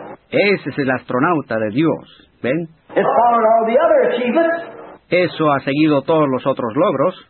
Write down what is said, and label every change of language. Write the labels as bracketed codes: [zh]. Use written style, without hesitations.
[es] Ese es el astronauta de Dios. ¿Ven? [en] It's followed all the other achievements. [es] Eso ha seguido todos los otros logros.